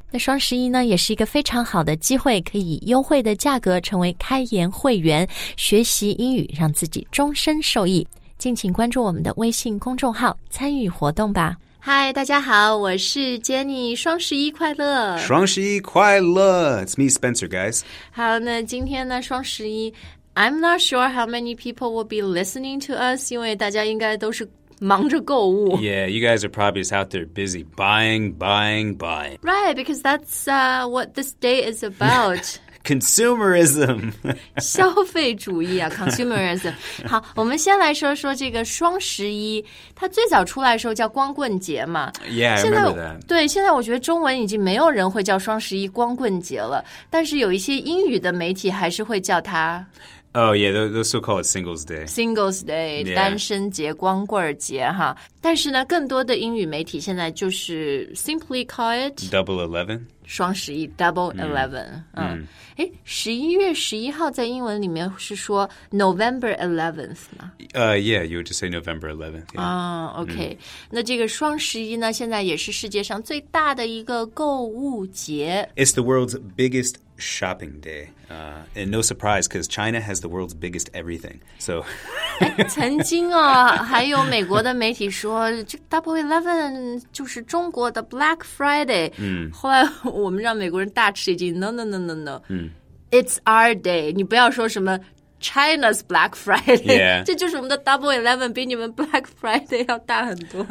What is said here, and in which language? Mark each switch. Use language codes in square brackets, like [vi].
[zh] 那双十一呢，也是一个非常好的机会，可以优惠的价格成为开言会员，学习英语让自己终身受益。敬请关注我们的微信公众号参与活动吧。嗨，大家好，我是 Jenny， 双十一快乐！ [en] 双十一快乐！It's me, Spencer, guys. 好，那今天呢，双十一 ，I'm not sure how many people will be listening to us，因为大家应该都是忙着购物。 Yeah, you guys are probably just out there busy buying, buying, buying. Right, because that's what this day is about. Consumerism. [zh] 消费主义啊 ,consumerism. 好，我们先来说说这个双十一，它最早出来的时候叫光棍节嘛。 [en] Yeah, I remember that. [zh] 对，现在我觉得中文已经没有人会叫双十一光棍节了，但是有一些英语的媒体还是会叫它。 [en] Oh, yeah, they'll still call it Singles Day. Singles Day,、 yeah. [zh] 单身节、光棍节哈。但是呢，更多的英语媒体现在就是 simply call it... [en] Double Eleven. 双十一 Double Eleven.、Mm. [zh] 嗯。诶，11月11号在英文里面是说 November 11th 吗？ [en] Yeah, you would just say November 11th. 啊、 yeah. ,OK.、Mm. [zh] 那这个双十一呢，现在也是世界上最大的一个购物节。 [en] It's the world's biggest... Shopping day. And no surprise, because China has the world's biggest everything. So, [zh] 曾经啊，还有美国的媒体说，这 Double Eleven 就是中国的 Black Friday. 后来我们让美国人大吃一惊 No. [en] It's our day. [zh] 你不要说什么China's Black Friday. [en] Yeah. [zh] 这就是我们的 Double Eleven 比你们 Black Friday 要大很多。